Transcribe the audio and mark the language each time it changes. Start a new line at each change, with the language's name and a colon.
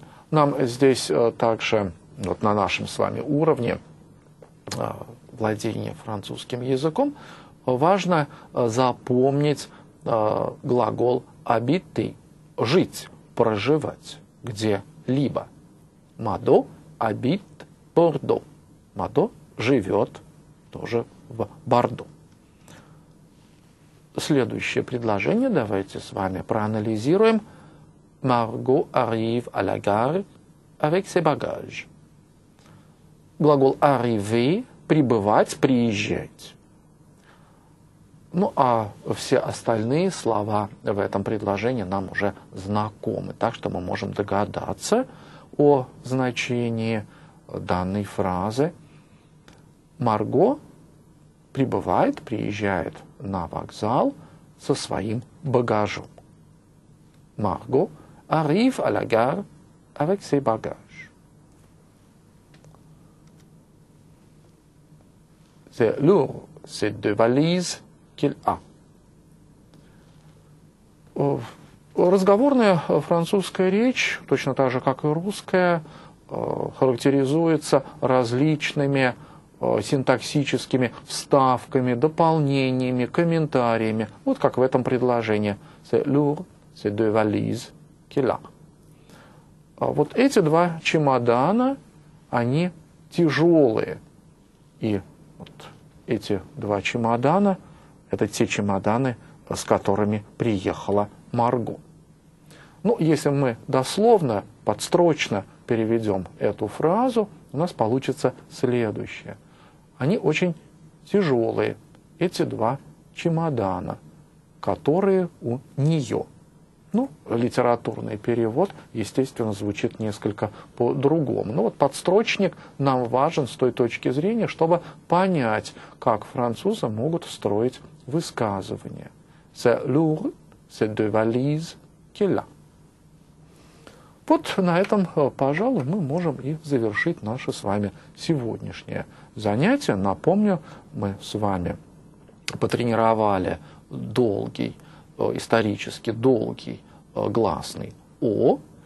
Russian: Нам здесь также, вот на нашем с вами уровне владения французским языком, важно запомнить глагол «habiter» – «жить», «проживать» где-либо.
French: «Мадо habite Bordeaux».
Russian: «Мадо живет тоже в Бордо». Следующее предложение давайте с вами проанализируем.
French: Марго arrive à la gare avec ses bagages.
Russian: Глагол arriver – прибывать, приезжать. Ну, а все остальные слова в этом предложении нам уже знакомы, так что мы можем догадаться о значении данной фразы. Марго прибывает, приезжает на вокзал со своим багажом.
French: Марго arrive à la gare avec ses bagages. C'est lourd, ces deux valises qu'il a.
Russian: Разговорная французская речь, точно так же, как и русская, характеризуется различными синтаксическими вставками, дополнениями, комментариями. Вот как в этом предложении.
French: C'est lourd, ces deux valises.
Russian: Вот эти два чемодана, они тяжелые. И вот эти два чемодана, это те чемоданы, с которыми приехала Марго. Ну, если мы дословно, подстрочно переведем эту фразу, у нас получится следующее. Они очень тяжелые, эти два чемодана, которые у нее. Ну, литературный перевод, естественно, звучит несколько по-другому. Но вот подстрочник нам важен с той точки зрения, чтобы понять, как французы могут встроить высказывание.
French: «C'est lourd, c'est de valise qu'il a».
Russian: Вот на этом, пожалуй, мы можем и завершить наше с вами сегодняшнее занятие. Напомню, мы с вами потренировали долгий, исторически долгий гласный «о».